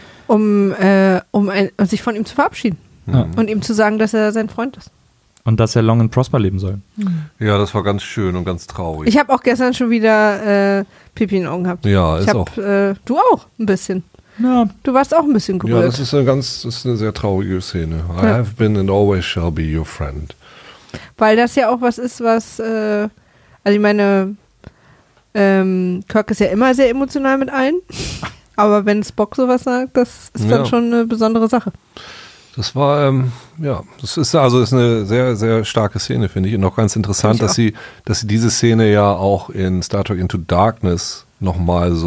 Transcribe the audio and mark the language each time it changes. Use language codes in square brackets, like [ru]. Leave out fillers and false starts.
[de] Um sich von ihm zu verabschieden. Ja. Und ihm zu sagen, dass er sein Freund ist. Und dass er [en] long and prosper [de] leben soll. Ja, das war ganz schön und ganz traurig. Ich habe auch gestern schon wieder Pipi in den Augen gehabt. Ja, ich ist auch. Du auch ein bisschen. Ja. Du warst auch ein bisschen gerührt. Ja, das ist eine sehr traurige Szene. Ja. [en] I have been and always shall be your friend. [de] Weil das ja auch was ist, was, also ich meine, Kirk ist ja immer sehr emotional mit allen. Aber wenn Spock sowas sagt, das ist dann schon eine besondere Sache. Das war, das ist eine sehr, sehr starke Szene, finde ich. Und auch ganz interessant, dass sie diese Szene ja auch in Star Trek Into Darkness nochmal so.